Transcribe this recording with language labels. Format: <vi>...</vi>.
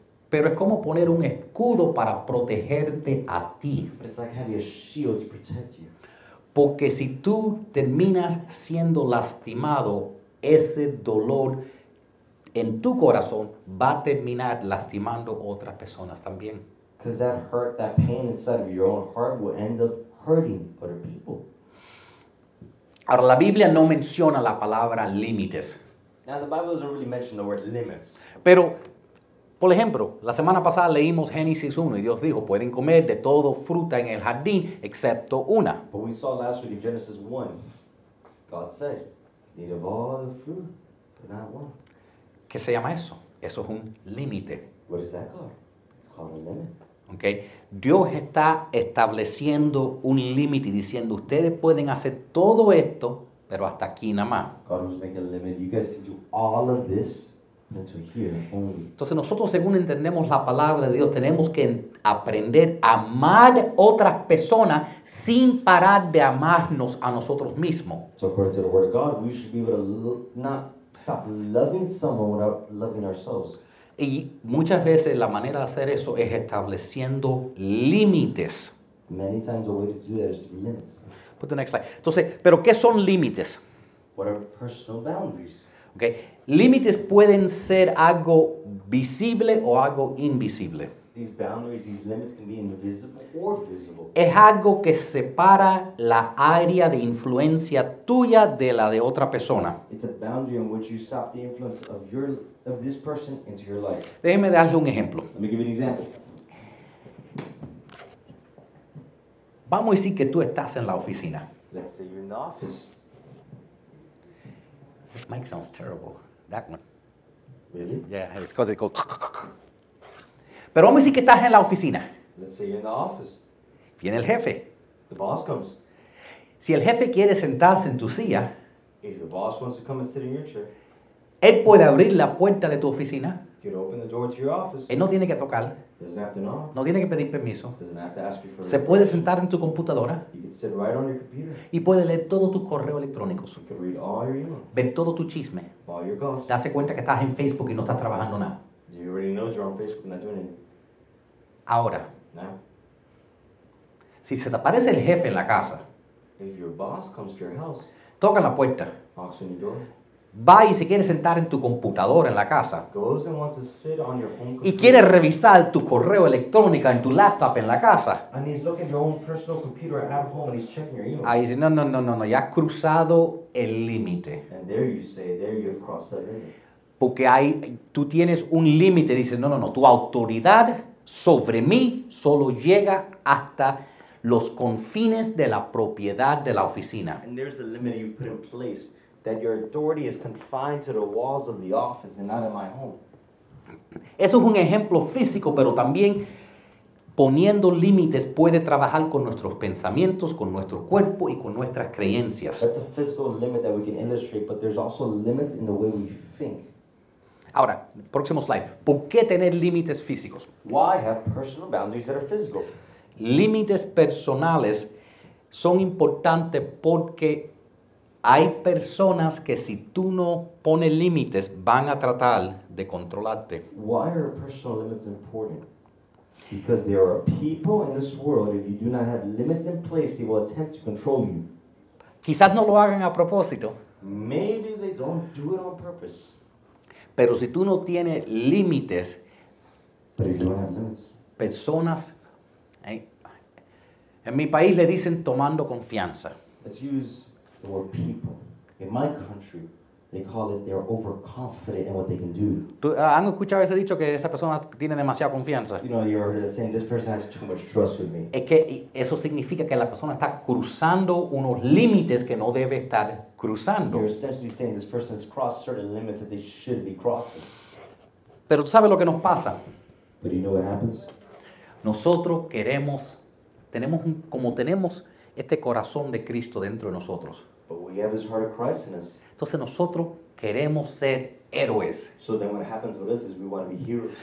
<es>Pero es como poner un escudo para protegerte a ti.</es> <en>But it's like having a shield to protect you.</en> <es>Porque si tú terminas siendo lastimado, ese dolor en tu corazón va a terminar lastimando otras personas también.</es> <en>Because that hurt, that pain inside of your own heart will end up hurting other people.</en> <es>Ahora, la Biblia no menciona la palabra límites.</es> <en>Now, the Bible doesn't really mention the word limits.</en> <es>Pero, por ejemplo, la semana pasada leímos Génesis 1 y Dios dijo, pueden comer de todo fruta en el jardín excepto una.</es> <en>But we saw last week in Genesis 1, God said, need of all the fruit, but not one.</en> <es>¿Qué se llama eso? Eso es un límite.</es> <en>What is that called? It's called a limit. Okay.</en> <es>Dios está estableciendo un límite y diciendo, ustedes pueden hacer todo esto, pero hasta aquí nada más.</es> <en>God was making a limit. You guys can do all of this until here only.</en> <es>Entonces nosotros, según entendemos la palabra de Dios, tenemos que aprender a amar otras personas sin parar de amarnos a nosotros mismos.</es> <en>So according to the word of God, we should be able to stop loving someone without loving ourselves.</en> <es>Y muchas veces la manera de hacer eso es estableciendo límites.</es> <en>Many times the way to do that is to be limits. Put the next slide.</en> <es>Entonces, ¿pero qué son límites?</es> <en>What are personal boundaries? Okay.</en> <es>Límites pueden ser algo visible o algo invisible.</es> <en>These boundaries, these limits can be invisible or visible.</en> <es>Es algo que separa la área de influencia tuya de la de otra persona.</es> <en>It's a boundary in which you stop the influence of your of this person into your life.</en> <es>Déjeme darle un ejemplo.</es> <en>Let me give you an example.</en> <es>Vamos a decir que tú estás en la oficina.</es> <en>Let's say you're in the office. This mic sounds terrible. That one. Really? Yeah, it's because it goes...</en> <es>Pero vamos a decir que estás en la oficina.</es> <en>Let's say you're in the office.</en> <es>Viene el jefe.</es> <en>The boss comes.</en> <es>Si el jefe quiere sentarse en tu silla,</es> <en>if the boss wants to come and sit in your chair,</en> <es>él puede abrir la puerta de tu oficina.</es> <en>He can open the door to your office.</en> <es>Él no tiene que tocar.</es> <en>Doesn't have to knock.</en> <es>No tiene que pedir permiso.</es> <en>Doesn't have to ask you for</en> <es>se puede permission. Sentar en tu computadora.</es> <en>You can sit right on your computer.</en> <es>Y puede leer todos tus correos electrónicos.</es> <en>You can read all your email.</en> <es>Ver todo tu chisme.</es> <en>All your gossip.</en> <es>Darse cuenta que estás en Facebook y no estás trabajando nada.</es> <en>You already know you're on Facebook and not doing anything.</en> <es>Ahora.</es> <en>Now.</en> <es>Si se te aparece el jefe en la casa.</es> <en>If your boss comes to your house.</en> <es>Toca la puerta.</es> <en>Knocks on your door.</en> <es>Va y se quiere sentar en tu computadora en la casa.</es> <en>Goes and wants to sit on your home computer.</en> <es>Y quiere revisar tu correo electrónico en tu laptop en la casa.</es> <en>And he's looking at your own personal computer at home and he's checking your email.</en> <es>Ahí dice, no, ya has cruzado el límite.</es> <en>And there you say, there you have crossed that limit.</en> <es>Porque hay, tú tienes un límite, dices, no, tu autoridad sobre mí solo llega hasta los confines de la propiedad de la oficina.</es> <en>And there's a limit you've put in place. That your authority is confined to the walls of the office and not in my home.</en> <es>Eso es un ejemplo físico, pero también poniendo límites puede trabajar con nuestros pensamientos, con nuestro cuerpo y con nuestras creencias.</es> <en>That's a physical limit that we can illustrate, but there's also limits in the way we think.</en> <es>Ahora, próximo slide. ¿Por qué tener límites físicos?</es> <en>Why have personal boundaries that are physical?</en> <es>Límites personales son importantes porque hay personas que si tú no pones límites van a tratar de controlarte.</es> <en>Why are personal limits important? Because there are people in this world, if you do not have limits in place, they will attempt to control you.</en> <es>Quizás no lo hagan a propósito.</es> <en>Maybe they don't do it on purpose.</en> <es>Pero si tú no tienes límites,</es> <en>but if you don't have limits,</en> <es>personas, en mi país le dicen tomando confianza.</es> <en>Let's use the word people. In my country, they call it they're overconfident in what they can do.</en> <es>¿Han escuchado ese dicho que esa persona tiene demasiada confianza?</es> <en>You know, you're saying this person has too much trust with me.</en> <es>Es que eso significa que la persona está cruzando unos límites que no debe estar cruzando.</es> <en>You're essentially saying this person has crossed certain limits that they shouldn't be crossing.</en> <es>Pero tú sabes lo que nos pasa.</es> <en>But you know what happens?</en> <es>Nosotros queremos, tenemos un, como tenemos este corazón de Cristo dentro de nosotros.</es> <en>But we have his heart of Christ in us.</en> <es>Entonces nosotros queremos ser héroes.</es> <en>So then what happens with us is we want to be heroes.</en>